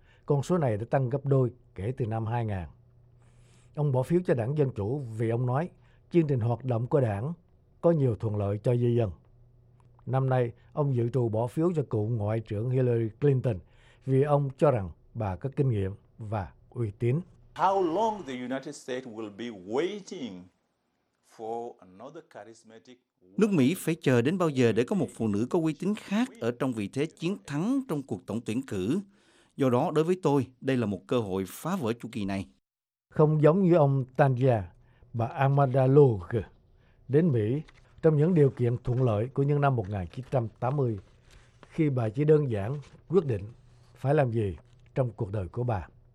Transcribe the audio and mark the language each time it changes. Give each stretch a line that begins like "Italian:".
Vietnamese: Con số này đã tăng gấp đôi kể từ năm 2000. Ông bỏ phiếu cho đảng Dân Chủ vì ông nói chương trình hoạt động của đảng có nhiều thuận lợi cho di dân. Năm nay, ông dự trù bỏ phiếu cho cựu Ngoại trưởng Hillary Clinton vì ông cho rằng bà có kinh nghiệm và uy tín.
English: How long the United States will be waiting for another charismatic?
Vietnamese: Nước Mỹ phải chờ đến bao giờ để có một phụ nữ có uy tín khác ở trong vị thế chiến thắng trong cuộc tổng tuyển cử? Do đó, đối với tôi, đây là một cơ hội phá vỡ chu kỳ này. Không giống như ông Tanya, bà Amanda Lugge đến Mỹ trong những điều kiện thuận lợi của những năm 1980, khi bà chỉ đơn giản quyết định phải làm gì trong cuộc đời của bà.